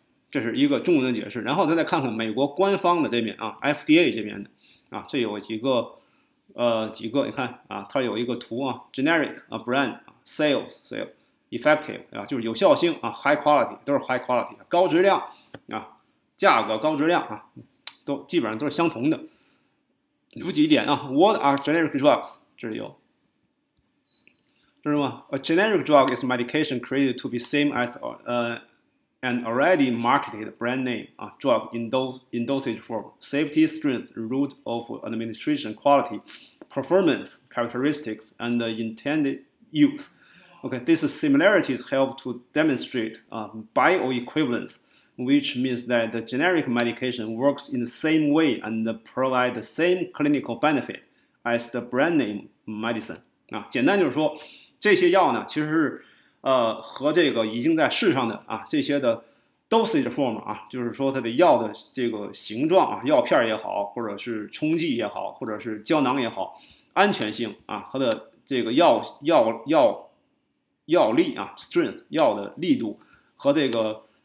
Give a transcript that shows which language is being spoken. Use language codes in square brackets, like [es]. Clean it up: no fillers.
[zh] 这是一个中文的解释。然后再看看美国官方的这边啊 ，FDA 这边的啊，这有几个。几个你看啊，它有一个图啊 ，generic 啊 ，brand 啊 ，sales，effective 啊，就是有效性啊 ，high quality 都是 high quality 高质量啊，价格高质量啊，都基本上都是相同的。有几点啊 [en] ，what are generic drugs？ [zh] 这里有，知道吗 ？ [en] A generic drug is medication created to be same as an already marketed brand name 啊 drug in dosage form safety strength route of administration quality performance characteristics and intended use. Okay, these similarities help to demonstrate bioequivalence, which means that the generic medication works in the same way and provide the same clinical benefit as the brand name medicine. [zh] 啊，简单就是说，这些药呢，其实是和这个已经在市上的啊这些的 dosage form 啊，就是说它的药的这个形状啊，药片也好，或者是冲剂也好，或者是胶囊也好，安全性啊和的这个药力啊 strength 药的力度和这个